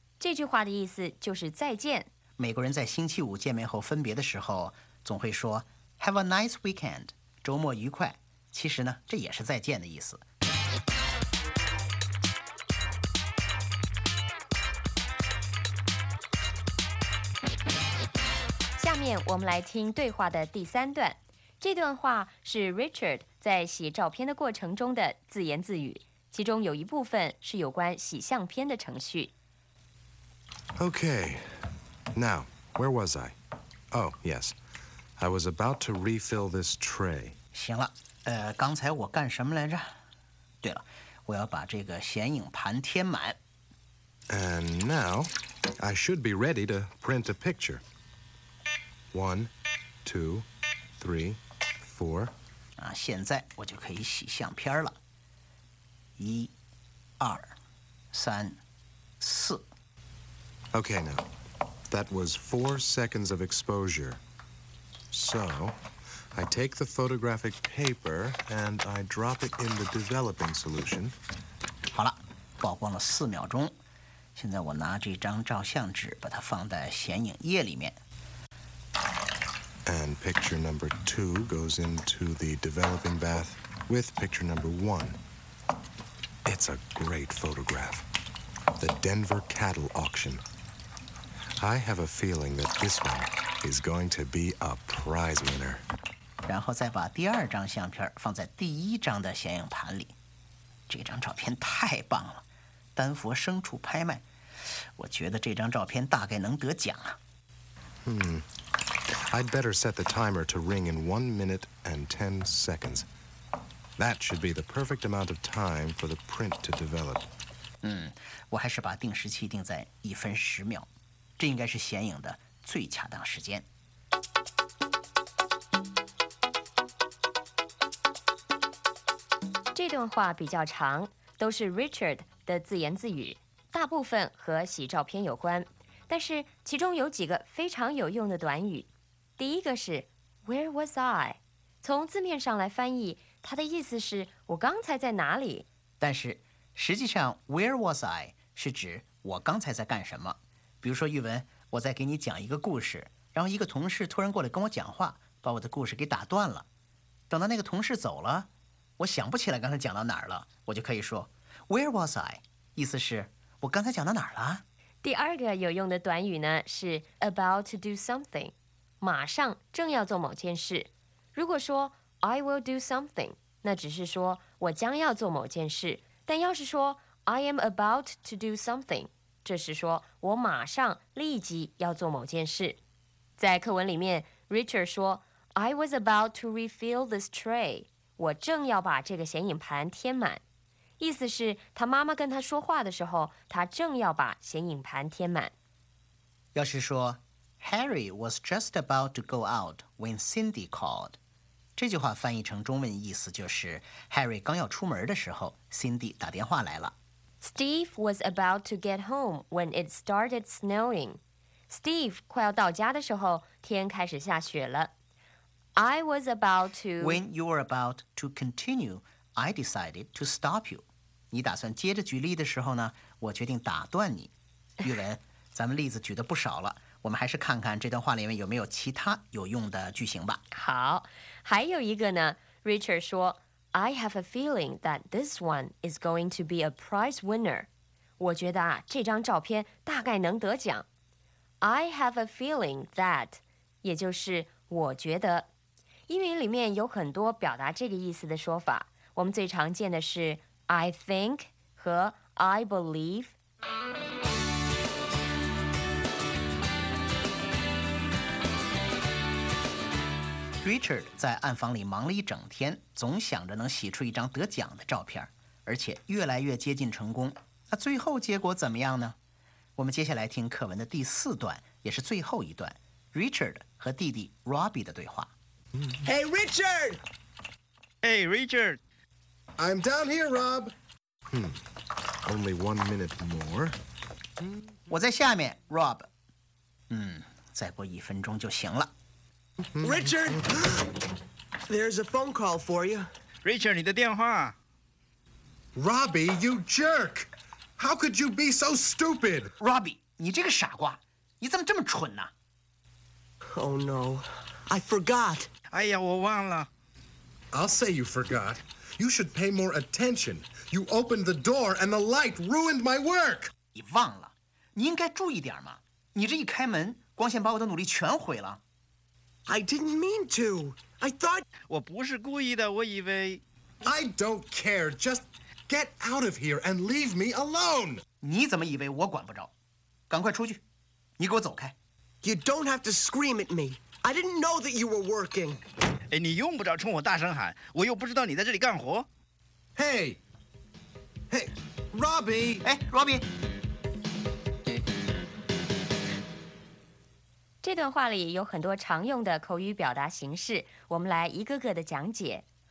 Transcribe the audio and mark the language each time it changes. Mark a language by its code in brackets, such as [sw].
[zh] 这句话的意思就是再见。美国人在星期五见面后分别的时候总会说 [en] Have a nice weekend. [zh] 周末愉快。其实呢，这也是再见的意思。面我们来听对话的第三段。这段话是 Richard 在洗照片的过程中的自言自语，其中有一部分是有关洗相片的程序。 [en] Okay, now, where was I? Oh, yes, I was about to refill this tray. [zh] 行了，刚才我干什么来着？对了，我要把这个显影盘填满。 [en] And now, I should be ready to print a picture. One, two, three, four. [zh] 啊，现在我就可以洗相片了。一、二、三、四。 [en] Okay, now, that was 4 seconds of exposure. So, I take the photographic paper and I drop it in the developing solution. [zh] 好了，曝光了4秒钟。现在我拿这张照相纸，把它放在显影液里面。 [en] And picture number two goes into the developing bath with picture number one. It's a great photograph. The Denver cattle auction. I have a feeling that this one is going to be a prize winner. [zh] 然后再把第二张相片放在第一张的显影盘里。这张照片太棒了，丹佛牲畜拍卖。我觉得这张照片大概能得奖啊。 [en] I'd better set the timer to ring in 1 minute and 10 seconds. That should be the perfect amount of time for the print to develop. [zh] 我还是把定时器定在1分10秒，这应该是显影的最恰当时间。这段话比较长，都是 Richard 的自言自语，大部分和洗照片有关，但是其中有几个非常有用的短语。第一个是 [en] Where was I? [zh] 从字面上来翻译，它的意思是我刚才在哪里。但是实际上 [en] Where was I? [zh] 是指我刚才在干什么。比如说玉文，我在给你讲一个故事，然后一个同事突然过来跟我讲话，把我的故事给打断了。等到那个同事走了，我想不起来刚才讲到哪儿了，我就可以说 [en] Where was I? [zh] 意思是我刚才讲到哪儿了。第二个有用的短语呢是 [en] about to do something， [zh] 马上正要做某件事。如果说 [en] I will do something， [zh] 那只是说我将要做某件事，但要是说 [en] I am about to do something， [zh] 这是说我马上立即要做某件事。在课文里面 Richard 说 [en] I was about to refill this tray， [zh] 我正要把这个显影盘填满，意思是他妈妈跟他说话的时候，他正要把显影盘填满。要是说 [en] Harry was just about to go out when Cindy called， [zh] 这句话翻译成中文意思就是 Harry 刚要出门的时候 Cindy 打电话来了。 [en] Steve was about to get home when it started snowing， Steve [zh] 快要到家的时候天开始下雪了。 [en] I was about to when you were about to continueI decided to stop you. [zh] 你打算接着举例的时候呢，我决定打断你。玉文，咱们例子举得不少了，我们还是看看这段话里面有没有其他有用的句型吧。好，还有一个呢， [en] Richard 说 I have a feeling that this one is going to be a prize winner. [zh] 我觉得啊，这张照片大概能得奖。 [en] I have a feeling that， [zh] 也就是我觉得。英语里面有很多表达这个意思的说法，我们最常见的是 [en] I think [zh] 和 [en] I believe。 [zh] Richard 在暗房里忙了一整天，总想着能洗出一张得奖的照片，而且越来越接近成功。那最后结果怎么样呢？我们接下来听课文的第四段，也是最后一段， Richard 和弟弟 Robbie 的对话。 [en] Hey Richard! Hey Richard! I'm down here, Rob. Only 1 minute more. [zh] 我在下面 ，Rob。再过一分钟就行了。 [en] Richard, there's a phone call for you. [zh] Richard, 你的电话。 [en] Robbie, you jerk! How could you be so stupid? [zh] Robbie, 你这个傻瓜，你怎么这么蠢呢 [en] ？Oh no, I forgot. [zh] 哎呀，我忘了。 [en] I'll say you forgot. You should pay more attention. You opened the door and the light ruined my work. [zh] 你忘了，你应该注意点嘛。你这一开门，光线把我的努力全毁了。 [en] I didn't mean to. I thought... [zh] 我不是故意的，我以为... [en] I don't care. Just get out of here and leave me alone. [zh] 你怎么以为我管不着？赶快出去，你给我走开。 [en] You don't have to scream at me. I didn't know that you were working. [zh] 哎，你用不着冲我大声喊，我又不知道你在这里干活。 [en] Hey! Hey, Robbie! [zh] 哎，Robbie! 这段话里有很多常用的口语表达形式，我们来一个个的讲解。